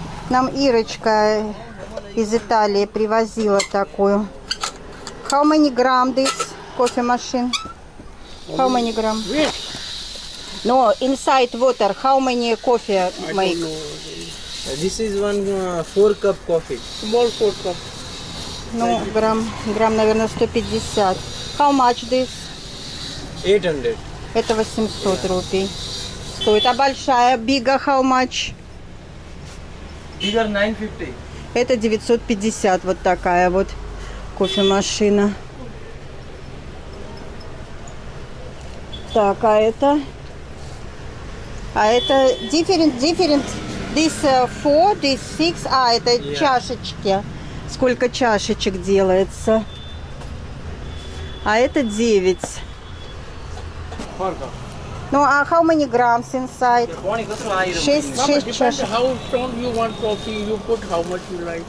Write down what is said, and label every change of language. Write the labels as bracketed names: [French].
[Russian] Нам Ирочка из Италии привозила такую. [English] How many grams this coffee machine? How many grams? Yes. No, inside water. How many coffee make? I don't know. This is one 4 cup coffee. Small 4 cup. [Russian] Ну, [English] no, [Russian] грамм, наверное, 150. [English] How much this? 800. [Russian] Это 800 рупий. Стоит. А большая, [English] bigger, how much? Bigger 950. [Russian] Это 950, вот такая вот кофемашина. Так, а это? А это [English] different. This 4, this 6, [Russian] а, это [English] yeah. [Russian] Чашечки. Сколько чашечек делается? А это 9. Фарго. Ну, а [English] how many grams inside? [Russian] 6 чашек. [English] How strong you want coffee? You put how much you like.